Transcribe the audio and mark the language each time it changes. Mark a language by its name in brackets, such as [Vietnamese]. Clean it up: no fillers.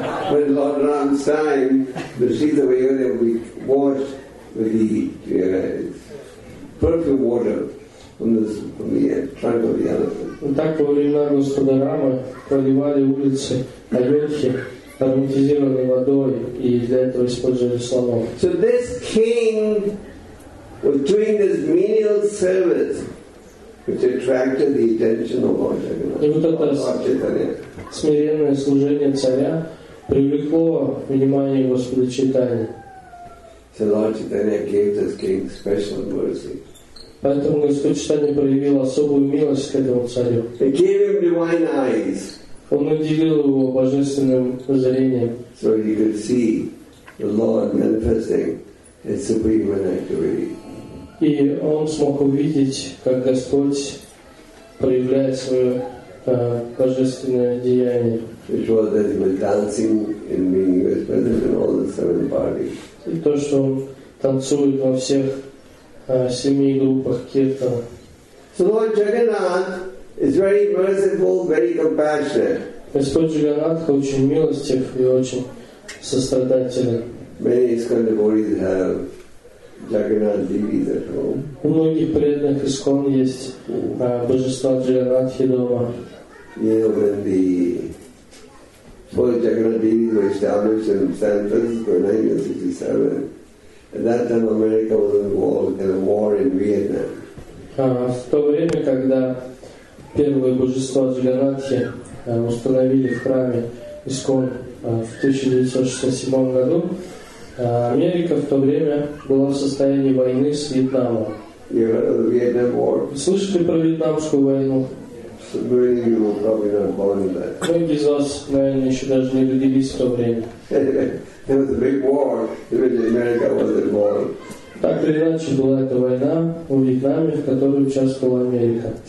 [English] When Lord Ram's time, the seeds of Ayodhya will be washed with the perfume water from the trunk of the elephant. [Russian] Так во времена Господа Рамы проливали улицы Айодхи ароматизированной водой и для этого использовали слонов. [English] So this king was doing this menial service which attracted the attention of Lord Chaitanya. [Russian] И вот это смиренное служение царя привлекло внимание Господа Чайтаньи. [English] So Lord Chaitanya gave this king special mercy. [Russian] Поэтому Господь Читание проявил особую милость к этому царю. [English] He gave him divine eyes. [Russian] Он наделил его божественным зрением. [English] So he could see the Lord manifesting his supreme activity. [Russian] И он смог увидеть, как Господь проявляет свое божественное деяние. [English] Which was that he was dancing in meaning he was present in all the seven parties. [Russian] И то, что он танцует во всех семи группах киртана. [English] So Lord Jagannath is very merciful, very compassionate. [Russian] Господь Джаганнатха очень милостив и очень сострадателен. [English] Many Iskandas devotees have Jagannath deities at home. [Russian] У многих преданных искон есть божества Джаганатхи дома. [English] Yeah, when the four Jagannath deities were established in San Francisco in 1967, at that time America was involved in a war in Vietnam. [Russian] В то время, когда первые божества Джаганатхи установили в храме Искон в 1967 году, Америка в то время была в состоянии войны с Вьетнамом. [English] You heard of the Vietnam War? [Russian] Слышали про Вьетнамскую войну? [English] So many of you were probably not born in that. [Russian] Многие из вас, наверное, еще даже не родились в то время. [English] It was a big war in which America was involved. [Russian] Так или иначе была эта война в Вьетнаме, в которой участвовала Америка.